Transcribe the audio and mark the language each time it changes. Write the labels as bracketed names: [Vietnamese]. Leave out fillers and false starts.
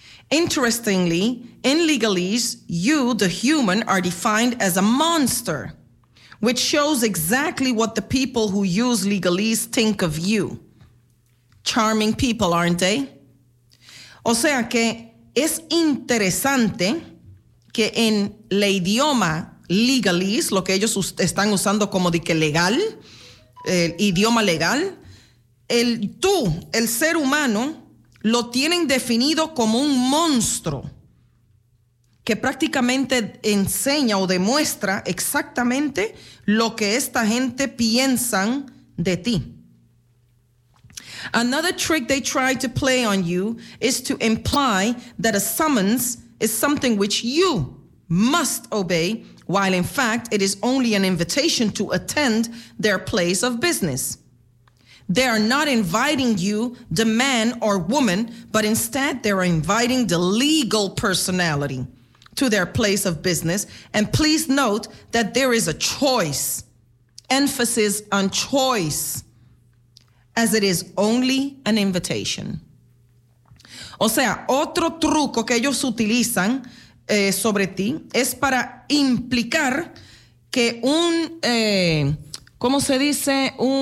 [English] Interestingly, in legalese, you, the human, are defined as a monster, which shows exactly what the people who use legalese think of you. Charming people, aren't they? [Spanish] O sea que es interesante que en el idioma legalese, lo que ellos están usando como de que legal, el idioma legal, el ser humano, lo tienen definido como un monstruo que prácticamente enseña o demuestra exactamente lo que esta gente piensan de ti. [English] Another trick they try to play on you is to imply that a summons is something which you must obey, while in fact it is only an invitation to attend their place of business. They are not inviting you, the man or woman, but instead they are inviting the legal personality to their place of business. And please note that there is a choice, emphasis on choice, as it is only an invitation. [Spanish] O sea, otro truco que ellos utilizan sobre ti es para implicar que un, ¿cómo se dice?